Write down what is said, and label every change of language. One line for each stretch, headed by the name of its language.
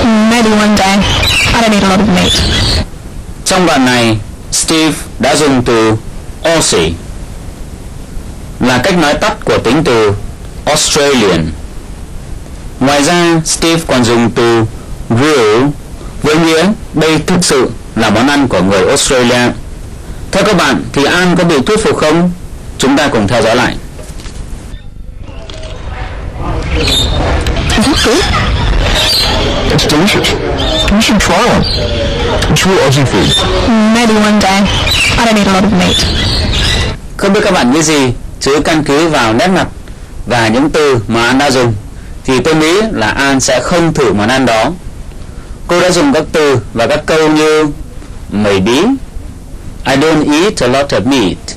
English: Maybe one day. I don't need a lot of meat.
Vietnamese: Trong đoạn này, Steve đã dùng từ Aussie là cách nói tắt của tính từ Australian. Ngoài ra, Steve còn dùng từ grill với nghĩa đây thực sự là món ăn của người Australia. Theo các bạn, thì An có bị thuyết phục không? Chúng ta cùng theo dõi lại.
English: Is it good? It's delicious. You should try one. It's real Aussie food. Maybe one day. I don't need a lot of meat.
Vietnamese: Không biết các bạn nghĩ gì, chứ căn cứ vào nét mặt và những từ mà An đã dùng, thì tôi nghĩ là An sẽ không thử món ăn đó. Cô đã dùng các từ và các câu như maybe,
English: I don't eat a lot of meat.